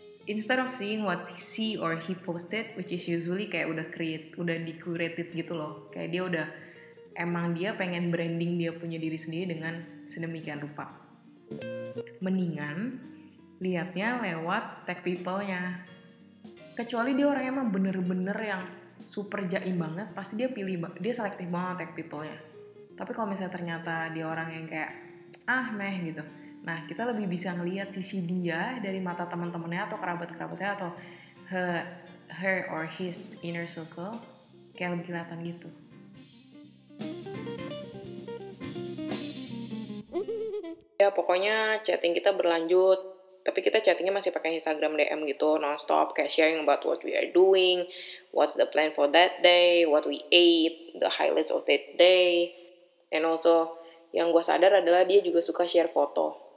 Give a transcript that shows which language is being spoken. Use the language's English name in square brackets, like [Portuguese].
[English] Instead of seeing what he see or he posted, which is usually [Indonesian] kayak udah di-curated gitu loh. Kayak dia udah, emang dia pengen branding dia punya diri sendiri dengan sedemikian rupa. Mendingan liatnya lewat tech people-nya. Kecuali dia orang emang bener-bener yang super jaim banget, pasti dia pilih, dia selektif banget tech people-nya. Tapi kalau misalnya ternyata dia orang yang kayak, ah meh gitu. Nah, kita lebih bisa ngelihat sisi dia dari mata teman-temannya atau kerabat-kerabatnya atau [English] her or his inner circle, [Indonesian] kayak lebih kelihatan gitu. Ya, pokoknya chatting kita berlanjut. Tapi kita chattingnya masih pakai Instagram DM gitu, nonstop, kayak [English] sharing about what we are doing, what's the plan for that day, what we ate, the highlights of that day. And also, [Indonesian] yang gue sadar adalah dia juga suka share foto.